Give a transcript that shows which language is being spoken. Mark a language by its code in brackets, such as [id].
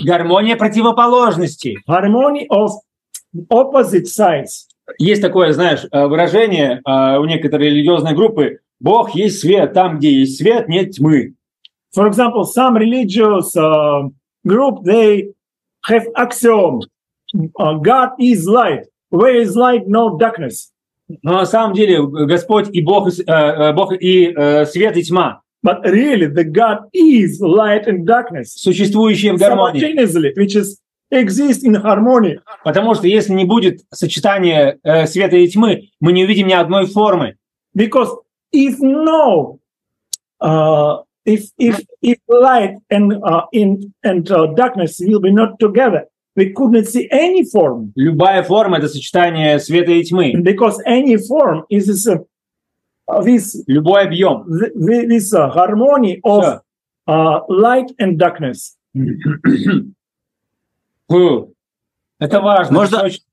[ru] Гармония противоположностей. [en] Harmony of opposite sides. [ru] Есть такое, знаешь, выражение у некоторой религиозной группы: «Бог есть свет, там, где есть свет, нет тьмы». [en] For example, some religious group, they have axiom, God is light, where is light, no darkness. [ru] Но на самом деле, Господь и Бог, Бог и свет, и тьма. [en] But really, the God is light and darkness. [ru] Существующие в гармонии. [en] Simultaneously, which is exist in harmony. [ru] Потому что если не будет сочетания света и тьмы, мы не увидим ни одной формы. [en] Because if no... If light and darkness will be not together, we couldn't see any form. [ru] Любая форма — это сочетание света и тьмы. [en] Because any form is this, this [ru] любой объем. [en] This harmony of light and darkness. [ru] Это важно. Можно,